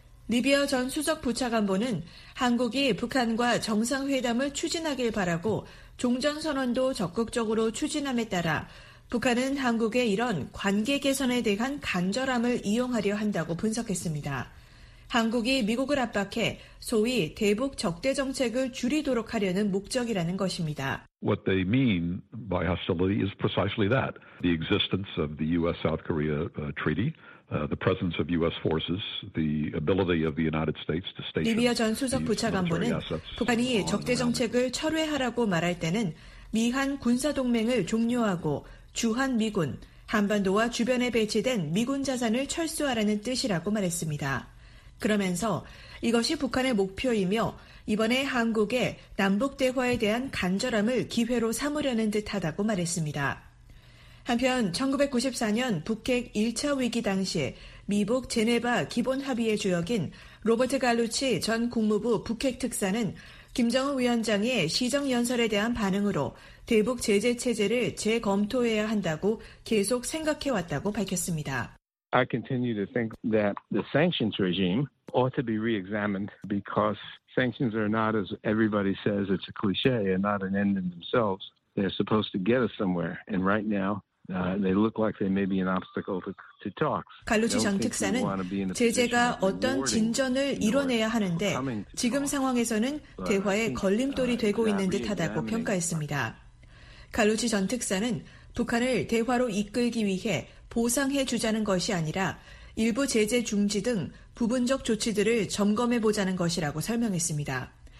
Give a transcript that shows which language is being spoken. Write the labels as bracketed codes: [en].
[ko] 리비어 전 수석 부차관보는 한국이 북한과 정상회담을 추진하길 바라고 종전선언도 적극적으로 추진함에 따라 북한은 한국의 이런 관계 개선에 대한 간절함을 이용하려 한다고 분석했습니다. 한국이 미국을 압박해 소위 대북 적대 정책을 줄이도록 하려는 목적이라는 것입니다. [en] What they mean by hostility is precisely that. The existence of the US-South Korea treaty, the presence of US forces, the ability of the United States to station. [ko] 리비아 전 수석 부차관보는 북한이 적대 정책을 철회하라고 말할 때는 미한 군사 동맹을 종료하고 주한 미군, 한반도와 주변에 배치된 미군 자산을 철수하라는 뜻이라고 말했습니다. 그러면서 이것이 북한의 목표이며 이번에 한국의 남북 대화에 대한 간절함을 기회로 삼으려는 듯하다고 말했습니다. 한편 1994년 북핵 1차 위기 당시 미북 제네바 기본 합의의 주역인 로버트 갈루치 전 국무부 북핵 특사는 김정은 위원장의 시정 연설에 대한 반응으로 대북 제재 체제를 재검토해야 한다고 계속 생각해 왔다고 밝혔습니다. [en] I continue to think that the sanctions regime ought to be re-examined because sanctions are not, as everybody says, it's a cliche and not an end in themselves. They're supposed to get us somewhere. And right now, they look like they may be an obstacle to talks. [ko] 갈루치 전 특사는 제재가 어떤 진전을 이뤄내야 하는데 지금 상황에서는 대화의 걸림돌이 되고 있는 듯하다고 평가했습니다. 갈루치 전 특사는 북한을 대화로 이끌기 위해 보상해 주자는 것이 아니라 일부 제재 중지 등 부분적 조치들을 점검해 보자는 것이라고 설명했습니다.